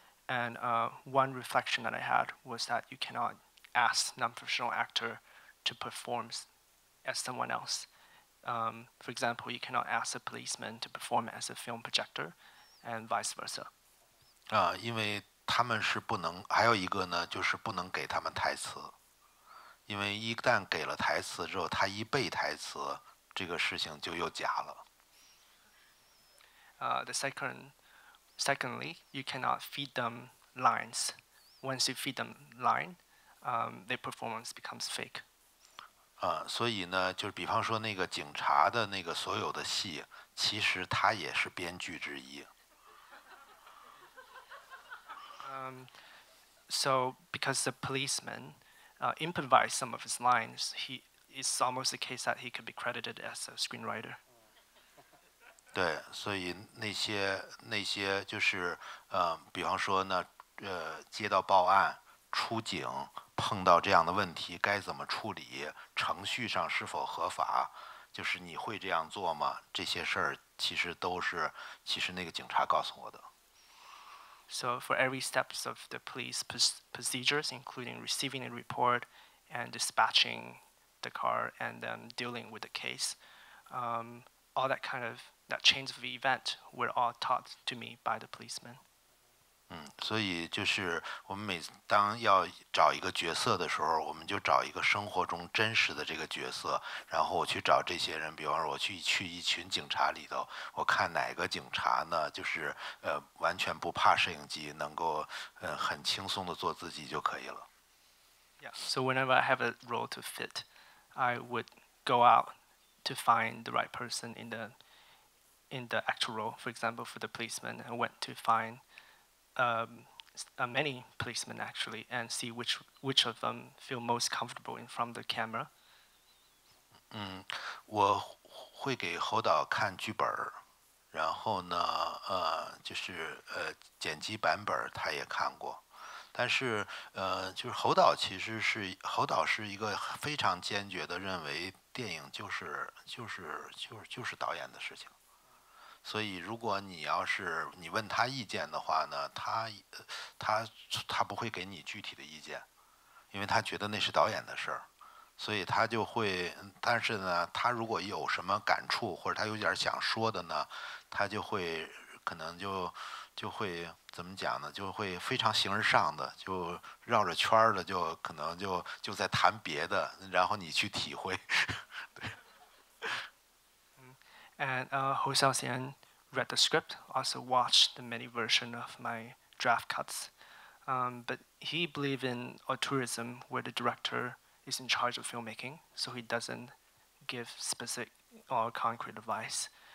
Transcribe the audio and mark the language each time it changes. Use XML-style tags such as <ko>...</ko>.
<en>And one reflection that I had was that you cannot ask non-professional actor to perform as someone else. For example, you cannot ask a policeman to perform as a film projector and vice versa.</en> <zh>因为他们是不能，还有一个呢，就是不能给他们台词。因为一旦给了台词之后，他一背台词，这个事情就又假了。</zh> <en>Secondly, you cannot feed them lines. Once you feed them line, their performance becomes fake.</en> <zh>所以呢，就是比方说那个警察的那个所有的戏，其实他也是编剧之一。</zh> <en>So because the policeman improvised some of his lines, he it's almost the case that he could be credited as a screenwriter.</en> <zh>对，所以那些就是比方说呢，接到报案、出警、碰到这样的问题该怎么处理、程序上是否合法，就是你会这样做吗？这些事儿其实那个警察告诉我的。</zh> <en>So for every steps of the police procedures, including receiving a report and dispatching the car and then dealing with the case, all that kind of, that chain of event were all taught to me by the policeman.</en> <zh>所以就是我们每当要找一个角色的时候，我们就找一个生活中真实的这个角色，然后我去找这些人，比方说我去一群警察里头，我看哪个警察呢，就是完全不怕摄影机，能够很轻松的做自己就可以了。</zh> <en>Yeah. So whenever I have a role to fit, I would go out to find the right person in the actual role. For example, for the policeman, I went to find. Many policemen actually, and see which of them feel most comfortable in front of the camera.</en> <zh>我会给侯导看剧本，然后呢，就是剪辑版本他也看过，但是就是侯导是一个非常坚决的认为电影就是导演的事情。所以如果你要是你问他意见的话呢，他不会给你具体的意见，因为他觉得那是导演的事儿，所以他就会，但是呢他如果有什么感触或者他有点想说的呢，他就会可能就会怎么讲呢，就会非常形而上的就绕着圈的就可能就在谈别的，然后你去体会。</zh> <en>And Hou Xiaoxian read the script, also watched the many versions of my draft cuts. But he believed in auteurism, where the director is in charge of filmmaking, so he doesn't give specific or concrete advice.</en>